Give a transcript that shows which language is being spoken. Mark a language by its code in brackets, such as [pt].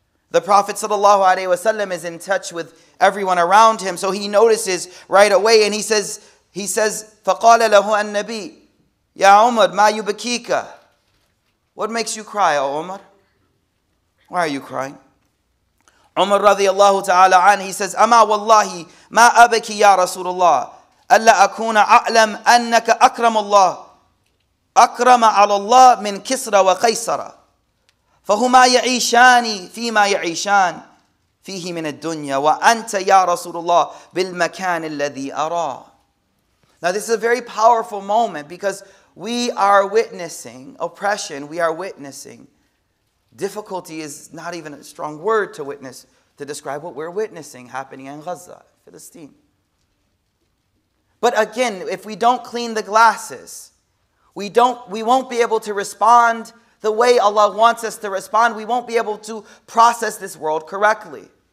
[en] The Prophet sallallahu alaihi wasallam is in touch with everyone around him, so he notices right away, and he says, [ar] فَقَالَ لَهُ النَّبِيِّ يَا عُمَرْ مَا يُبَكِيكَ. [en] What makes you cry, O Umar? Why are you crying? [ar] Umar radiallahu ta'ala an, [en] he says, [ar] أَمَا وَاللَّهِ مَا أَبَكِي يَا رَسُولُ اللَّهِ أَلَّا أَكُونَ أَعْلَمْ أَنَّكَ أَكْرَمُ اللَّهِ أَكْرَمَ عَلَى اللَّهِ مِنْ كِسْرَ وَقَيْسَرَ فَهُمَا يَعِيشَانِ فِي مَا يَعِيشَانِ فِيهِ مِنَ الدُّنْيَا وَأَنْتَ يَا رَسُولُ اللَّهِ بِالْمَكَانِ الَّذِي أَرَاهُ. [en] Now this is a very powerful moment because we are witnessing oppression, we are witnessing, difficulty is not even a strong word to witness, to describe what we're witnessing happening in Gaza, Palestine. But again, if we don't clean the glasses, we won't be able to respond the way Allah wants us to respond, we won't be able to process this world correctly.